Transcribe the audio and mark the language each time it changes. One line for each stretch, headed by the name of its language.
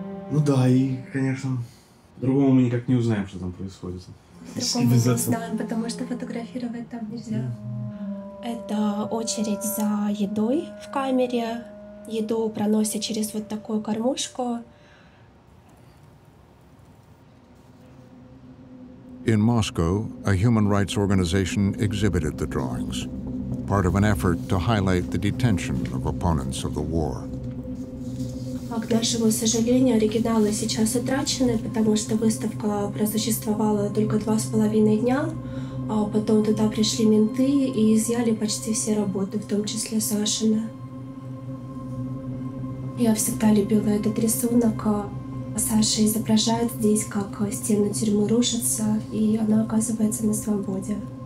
Russian: Ну да, и, конечно, другому мы никак не узнаем, что там происходит. Другому мы не знаем, потому что фотографировать там нельзя.
English: Yeah.
Russian: Это очередь за едой в камере. Еду проносят через вот такую кормушку.
English: In Moscow, a human rights organization exhibited the drawings, part of an effort to highlight the detention of opponents of the war.
Russian: К нашему сожалению, оригиналы сейчас утрачены, потому что выставка просуществовала только 2.5 дня, а потом туда пришли менты и изъяли почти все работы, в том числе Сашины. Я всегда любила этот рисунок. Саша изображает здесь, как стены тюрьмы рушатся, и она оказывается на свободе.